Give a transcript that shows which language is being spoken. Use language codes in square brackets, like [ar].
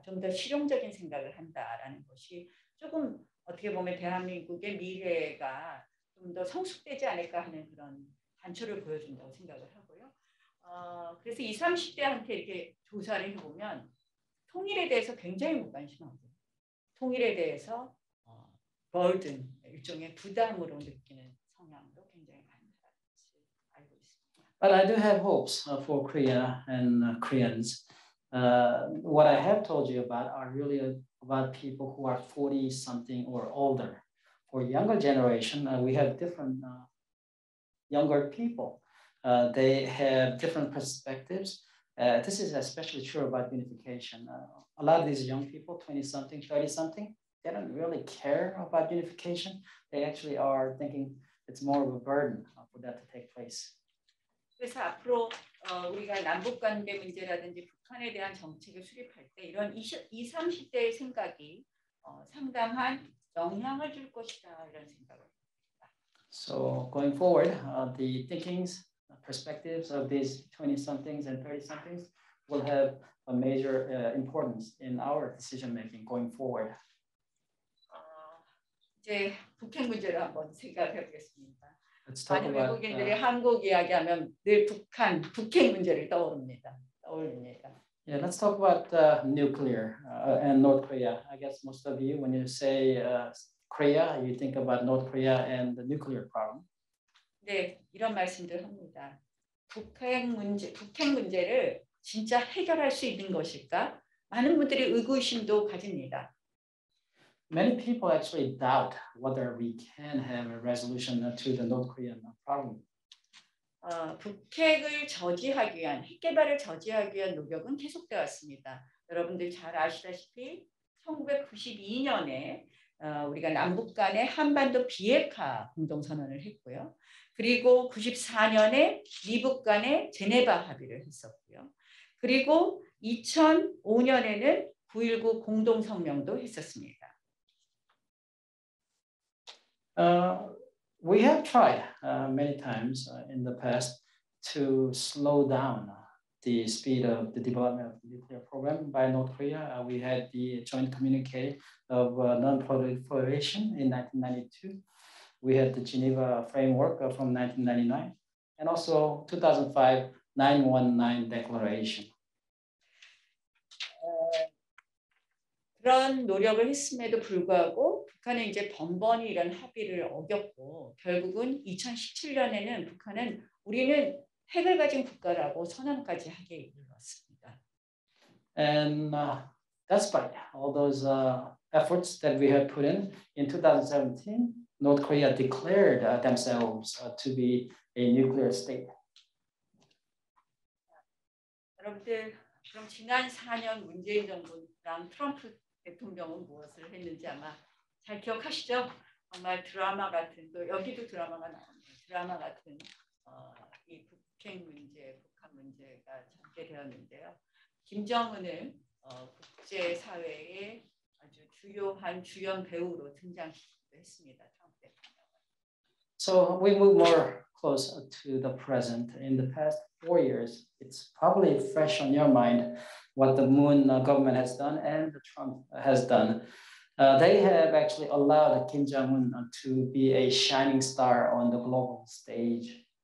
[ko] 좀 더 실용적인 생각을 한다라는 것이 조금 어떻게 보면 대한민국의 미래가 좀 더 성숙되지 않을까 하는 그런 단초를 보여준다고 생각을 하고요. 그래서 20, 30대한테 이렇게 조사를 해보면 통일에 대해서 굉장히 무관심하고 통일에 대해서 burden, 일종의 부담으로 느끼는 성향도 굉장히 많다고 알고 있습니다. [en] But I do have hopes for Korea and Koreans. What I have told you about are really about people who are 40-something or older. For younger generation, we have different younger people. They have different perspectives. This is especially true about unification. A lot of these young people, 20-something, 30-something, they don't really care about unification. They actually are thinking it's more of a burden for that to take place. [ko] 그래서 앞으로 우리가 남북관계 문제라든지 북한에 대한 정책을 수립할 때 이런 20, 30대의 생각이 상당한 영향을 줄 것이다 이런 생각을 합니다. [en] So going forward, the thinkings, perspectives of these 20-somethings and 30-somethings will have a major importance in our decision-making going forward. [ko] 이제 북핵 문제를 한번 생각해 보겠습니다. [en] Let's talk [ko] 많은 외국인들이 한국 이야기하면 늘 북한, 북핵 문제를 떠오릅니다. [en] Yeah, let's talk about nuclear and North Korea. I guess most of you, when you say Korea, you think about North Korea and the nuclear problem. [ko] 네, 이런 말씀들 합니다. 북핵 문제를 진짜 해결할 수 있는 것일까? 많은 분들이 의구심도 가집니다. [en] Many people actually doubt whether we can have a resolution to the North Korean problem. [ko] 북핵을 저지하기 위한 핵 개발을 저지하기 위한 노력은 계속되었습니다. 여러분들 잘 아시다시피 1992년에 우리가 남북 간의 한반도 비핵화 공동선언을 했고요. 그리고 94년에 미북 간의 제네바 합의를 했었고요. 그리고 2005년에는 9.19 공동성명도 했었습니다. [en] We have tried many times in the past to slow down the speed of the development of the nuclear program by North Korea. We had the joint communique of non-proliferation in 1992. We had the Geneva framework from 1999, and also 2005 919 declaration. [ko] 그런 노력을 했음에도 불구하고 북한은 이제 번번이 이런 합의를 어겼고 결국은 2017년에는 북한은 우리는 핵을 가진 국가라고 선언까지 하게 이르렀습니다. [en] And despite all those efforts that we have put in 2017, North Korea declared themselves to be a nuclear state. [ko] 여러분들 그럼 지난 4년 문재인 정부랑 트럼프 대통령은 무엇을 했는지 아마 잘 기억하시죠? 정말 드라마 같은 또 여기도 드라마가 나옵니다. 드라마 같은 이 북핵 문제, 북한 문제가 전개되었는데요. 김정은을 국제 사회의 아주 주요한 주연 배우로 등장시키기도 했습니다. [en] So we move more close to the present. In the past 4 years, it's probably fresh on your mind what the Moon government has done and Trump has done. They have actually allowed Kim Jong-un to be a shining star on the global stage.